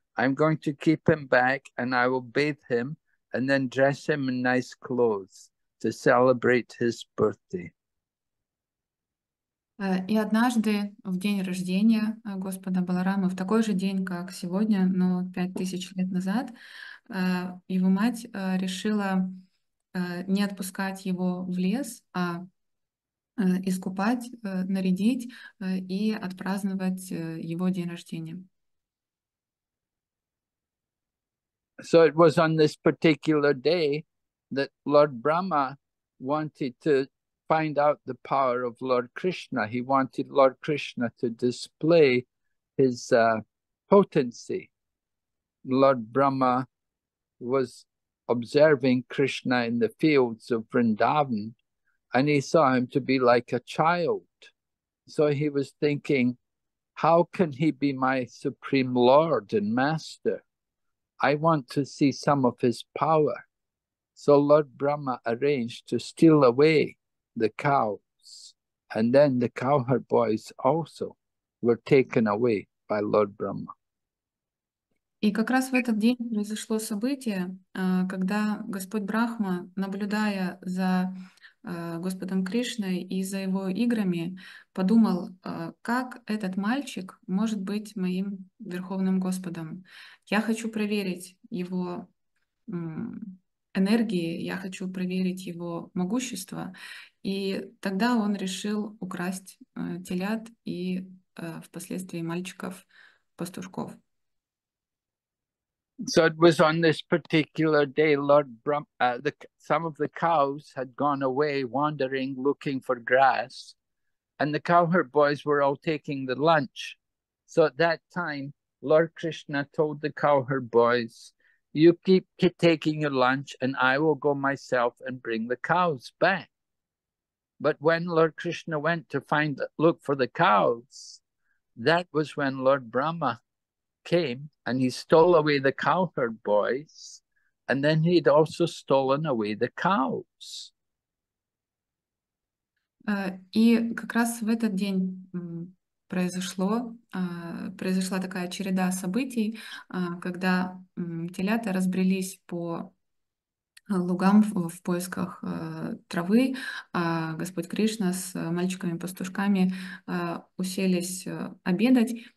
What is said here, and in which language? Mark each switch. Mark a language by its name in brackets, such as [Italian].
[English] I'm going to keep him back and I will bathe him and then dress him in nice clothes to celebrate his birthday. [Russian] И однажды, в день рождения Господа Баларамы, в такой же день, как сегодня, но 5000 лет назад, его мать решила не отпускать его в лес, а искупать, нарядить и отпраздновать его день рождения. [English] So it was on this particular day that Lord Brahma wanted to find out the power of Lord Krishna. He wanted Lord Krishna to display his potency. Lord Brahma was observing Krishna in the fields of Vrindavan, and he saw him to be like a child. So he was thinking, how can he be my supreme lord and master? I want to see some of his power. So Lord Brahma arranged to steal away the cows, and then the cowherd boys also were taken away by Lord Brahma. [Russian] И как раз в этот день произошло событие, когда Господь Брахма, наблюдая за Господом Кришной и за его играми, подумал, как этот мальчик может быть моим верховным Господом. Я хочу проверить его энергии, я хочу проверить его могущество. И тогда он решил украсть телят и впоследствии мальчиков-пастушков. [English] So it was on this particular day, Lord Brahma, some of the cows had gone away wandering, looking for grass, and the cowherd boys were all taking the lunch. So at that time, Lord Krishna told the cowherd boys, you keep taking your lunch and I will go myself and bring the cows back. But when Lord Krishna went to look for the cows, that was when Lord Brahma came and he stole away the cowherd boys, and then he'd also stolen away the cows. [Russian] И как раз в этот день произошла такая череда событий, когда телята разбрелись по лугам в поисках травы, а Господь Кришна с мальчиками-пастушками уселись обедать.